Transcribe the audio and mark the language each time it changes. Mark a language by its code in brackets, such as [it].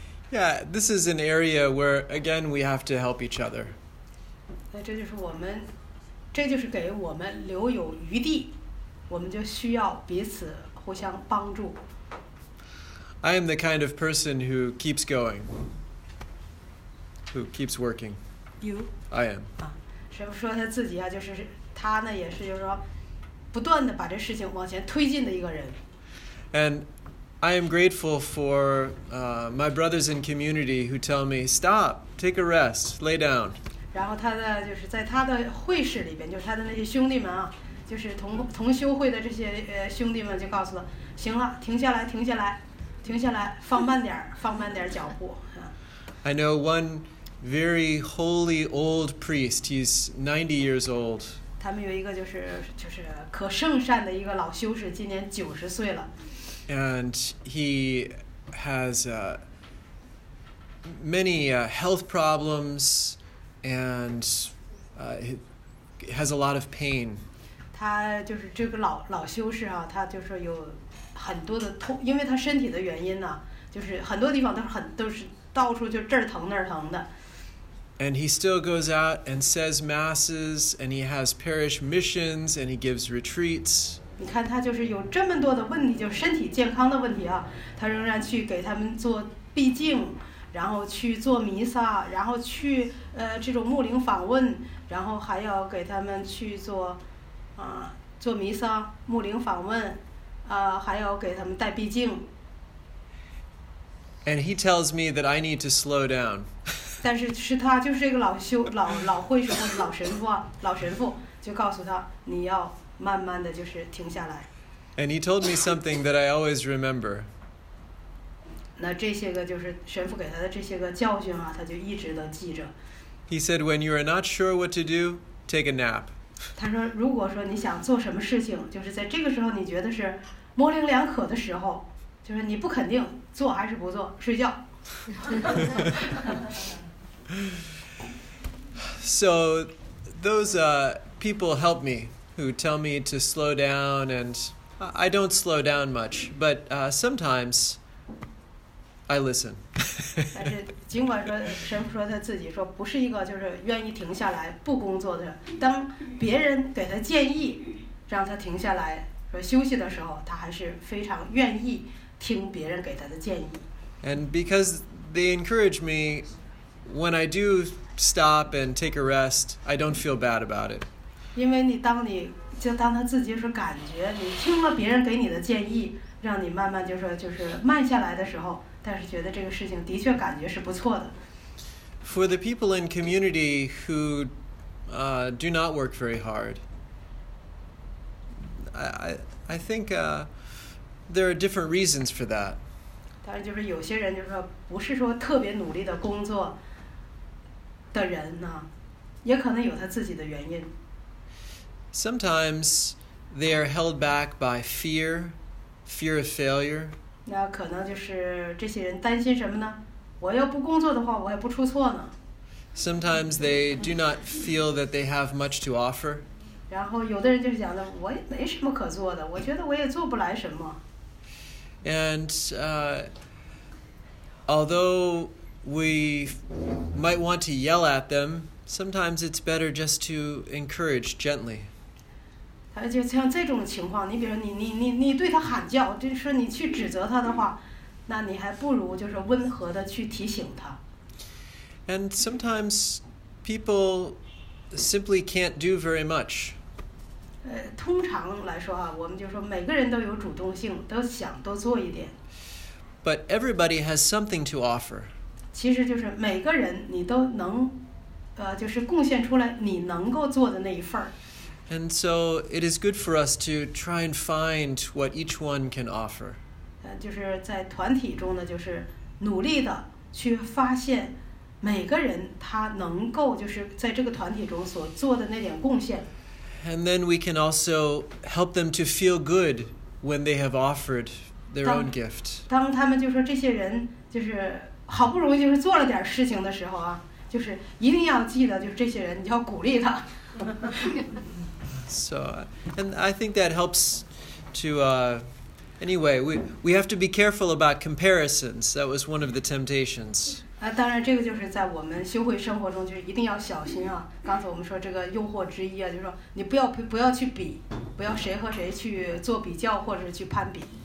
[en] Yeah, this is an area where, again, we have to help each other. [zh] 这就是我们，这就是给我们留有余地，我们就需要彼此互相帮助。 [en] I am the kind of person who keeps going, who keeps working. You? I am. [zh] 师父说他自己啊，就是他呢，也是就是说，不断的把这事情往前推进的一个人。 [en] And. I am grateful for my brothers in community who tell me, stop, take a rest, lay down. [zh] 然后他的就是在他的会室里边，就是他的那些兄弟们啊，就是同修会的这些兄弟们就告诉他，行了，停下来，放慢点脚步。 [en] I know one very holy old priest, he's 90 years old. [zh] 他们有一个就是可圣善的一个老修士，今年90岁了。 [en] And he has many health problems and has a lot of pain. [zh] 他就是这个老修士啊，他就是有很多的痛，因为他身体的原因呢，就是很多地方都是到处就这儿疼那儿疼的。 [en] And he still goes out and says masses, and he has parish missions, and he gives retreats. [zh] 你看他就是有这么多的问题，就是身体健康的问题啊，他仍然去给他们做闭境，然后去做弥撒，然后去这种牧灵访问，然后还要给他们去做做弥撒牧灵访问还要给他们带闭境。 [en] And he tells me that I need to slow down. [zh] 但是是他就是这个老神父就告诉他你要慢慢的就是停下来。 [en] And he told me something that I always remember. [zh] 那这些个就是神父给他的这些个教训啊，他就一直的记着。 [en] He said, when you are not sure what to do, take a nap. [zh] 他说，如果说你想做什么事情，就是在这个时候你觉得是模棱两可的时候，就是你不肯定做还是不做，睡觉。 [en] So those people helped me. Who tell me to slow down, and I don't slow down much, but sometimes I listen. [zh] 但是尽管说神父说他自己说不是一个就是愿意停下来不工作的人，当别人给他建议让他停下来说休息的时候，他还是非常愿意听别人给他的建议。 [en] And because they encourage me, when I do stop and take a rest, I don't feel bad about it. [zh] 因为当他自己说感觉你听了别人给你的建议，让你慢慢就是慢下来的时候，但是觉得这个事情的确感觉是不错的。 [en] For the people in community who do not work very hard, I think there are different reasons for that. [zh] 但是就是有些人就是说不是说特别努力的工作的人呢，也可能有他自己的原因。 [en] Sometimes they are held back by fear of failure. [zh] 那可能就是这些人担心什么呢？我要不工作的话，我也不出错呢。 [en] Sometimes they do not feel that they have much to offer. [zh] 然后有的人就是讲的，我也没什么可做的，我觉得我也做不来什么。 [en] And although we might want to yell at them, sometimes it's better just to encourage gently. [zh] 就像这种情况，你比如说你对他喊叫，就是你去指责他的话，那你还不如就是温和的去提醒他。 [en] And sometimes people simply can't do very much. [zh] 通常来说啊，我们就说每个人都有主动性，都想多做一点。 [en] But everybody has something to offer. [zh] 其实就是每个人你都能，就是贡献出来你能够做的那一份儿。 [en] And so it is good for us to try and find what each one can offer. [zh] 就是在团体中呢，就是努力的去发现每个人他能够就是在这个团体中所做的那点贡献。 [en] And then we can also help them to feel good when they have offered their own gift. [zh] 当他们就说这些人就是好不容易就是做了点事情的时候啊，就是一定要记得就是这些人你要鼓励他。 [en] So, and I think that helps to, anyway, we have to be careful about comparisons. That was one of the temptations. [zh] 当然这个就是在我们修会生活中就是一定要小心啊。刚才我们说这个诱惑之一啊，就是说你不要去比，不要谁和谁去做比较或者去攀比。